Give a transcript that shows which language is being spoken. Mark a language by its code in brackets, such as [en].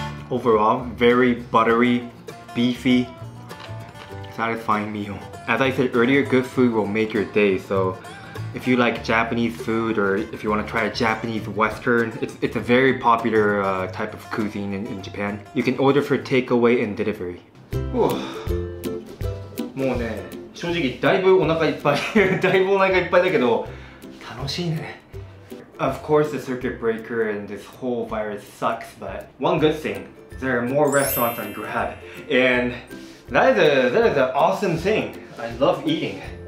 [en] Overall, very buttery, beefy, satisfying meal. As I said earlier, good food will make your day, so if you like Japanese food or if you want to try a Japanese Western, it's a very popular type of cuisine in Japan. You can order for takeaway and delivery. [ja] もうね、正直だいぶお腹いっぱい、だいぶお腹いっぱいだけど、楽しいね。 [en] Of course the circuit breaker and this whole virus sucks, but one good thing, there are more restaurants on Grab. And that is an awesome thing. I love eating.